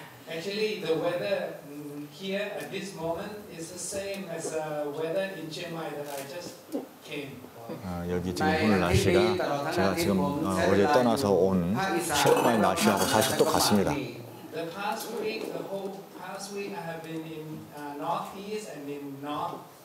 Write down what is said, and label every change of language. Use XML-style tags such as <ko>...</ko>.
<en>Actually, the weather here at this moment is the same as the weather in Chiang Mai that I just came.</en> <ko>여기 지금 오늘 날씨가 제가 지금 어제 떠나서 온 Chiang Mai 날씨하고 사실 또 같습니다.</ko> <en>The past week, the whole past week, I have been in northeast and in north.</en>